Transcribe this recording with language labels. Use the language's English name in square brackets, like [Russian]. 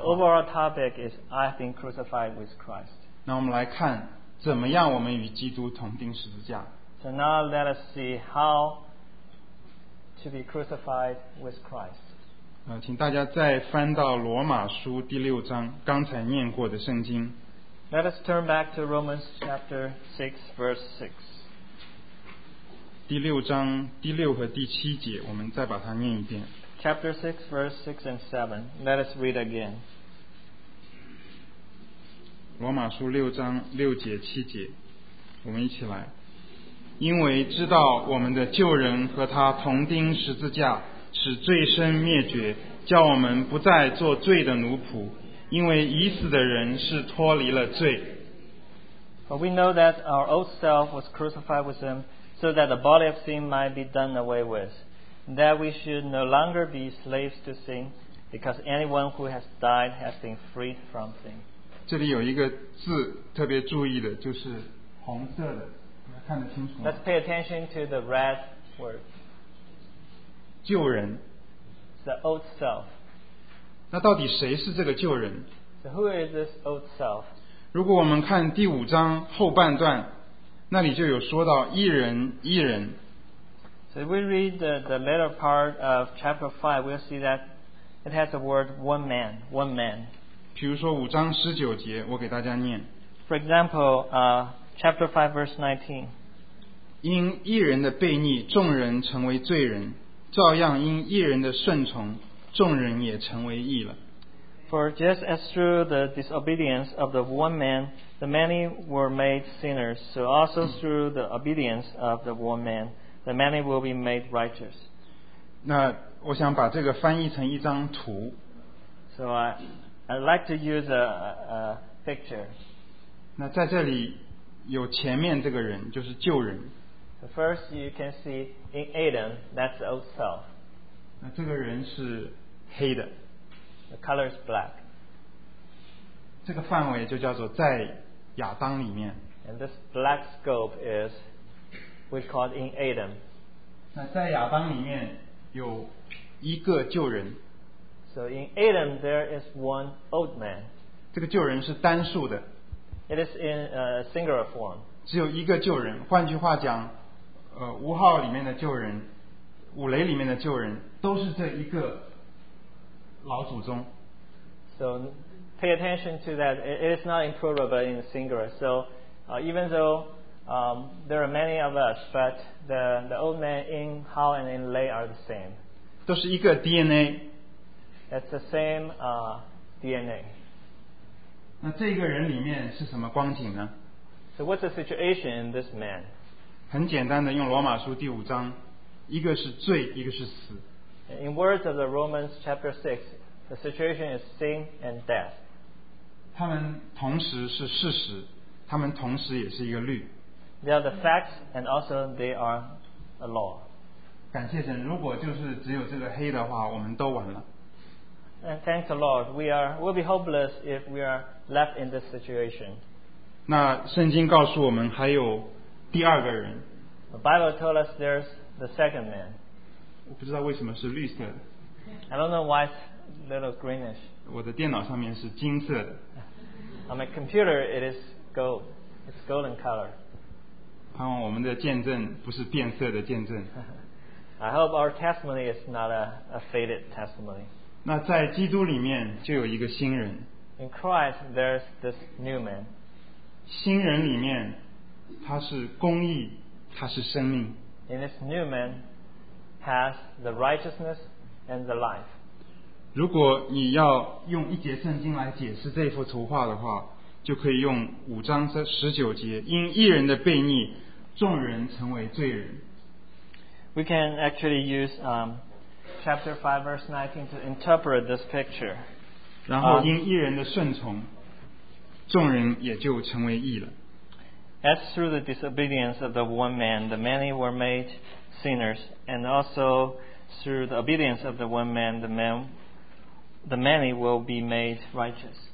[English] The overall topic is I have been crucified with Christ. [Chinese] 那我们来看怎么样我们与基督同钉十字架。 [English] So now let us see how to be crucified with Christ. [Chinese] 请大家再翻到罗马书第六章，刚才念过的圣经。 [English] Let us turn back to Romans chapter 6, verse 6. [Chinese] 第六章第六和第七节，我们再把它念一遍。 [English] Chapter 6, verse 6 and 7. Let us read again. [Chinese] 罗马书六章六节七节，我们一起来。因为知道我们的旧人和他同钉十字架，使罪身灭绝，叫我们不再做罪的奴仆，因为已死的人是脱离了罪。 [English] For we know that our old self was crucified with him, so that the body of sin might be done away with, that we should no longer be slaves to sin, because anyone who has died has been freed from sin. [Chinese] 这里有一个字特别注意的，就是红色的，看得清楚吗？ [English] Let's pay attention to the red word. [Chinese] 旧人 [English] The old self. [Chinese] 那到底谁是这个旧人？ [English] So who is this old self? [Chinese] 如果我们看第五章后半段，那里就有说到一人一人。 [English] So if we read the later part of chapter 5, we'll see that it has the word one man, one man. [Chinese] 比如说五章十九节，我给大家念。 [English] For example, chapter 5, verse 19. [Chinese] 因一人的悖逆，众人成为罪人。照样因义人的顺从，众人也成为义了。 [English] For just as through the disobedience of the one man, the many were made sinners, so also through the obedience of the one man, the many will be made righteous. [Chinese] 那我想把这个翻译成一张图。 [English] So I'd like to use a picture. [Chinese] 那在这里有前面这个人，就是旧人。 [English] So first you can see in Adam, that's the old self. [Chinese] 那这个人是黑的。 [English] The color is black. [Chinese] 这个范围就叫做在亚当里面。 [English] And this black scope is we call in Adam. [Chinese] 那在亚当里面有一个旧人。 [English] So in Adam there is one old man. [Chinese] 这个旧人是单数的。 [English] It is in a singular form. [Chinese] 只有一个旧人，换句话讲五号里面的旧人，五雷里面的旧人，都是这一个老祖宗。 [English] So pay attention to that. It is not in plural, but in singular. So even though there are many of us, but the old man in Hao and in Lei are the same. [Chinese] 都是一个 DNA. [English] That's the same DNA. [Chinese] 那这个人里面是什么光景呢？ [English] So what's the situation in this man? [Chinese] 很简单的，用罗马书第五章，一个是罪，一个是死。 [English] In words of the Romans chapter 6, the situation is sin and death. [Chinese] 他们同时是事实，他们同时也是一个律。 [English] They are the facts and also they are a law. [Chinese] 感谢神，如果就是只有这个黑的话，我们都完了。 [English] And thank the Lord, we'll be hopeless if we are left in this situation. [Chinese] 那圣经告诉我们还有第二个人。 [English] The Bible told us there's the second man. [Chinese] 我不知道为什么是绿色的。 [English] I don't know why it's a little greenish. [Chinese] 我的电脑上面是金色的。 [English] On my computer, it is gold. It's golden color. [Chinese] 盼望我们的见证不是变色的见证。 [English] I hope our testimony is not a faded testimony. [Chinese] 那在基督里面就有一个新人。 [English] In Christ, there's this new man. [Chinese] 新人里面，他是公义，他是生命。 [English] And this new man has the righteousness and the life. [Chinese] 如果你要用一节圣经来解释这幅图画的话，就可以用五章十九节，因一人的悖逆，众人成为罪人。 [English] We can actually use chapter 5 verse 19 to interpret this picture. [Chinese] 然后因义人的顺从，众人也就成为义了。 [English] As through the disobedience of the one man, the many were made sinners, and also through the obedience of the one man, the many will be made righteous.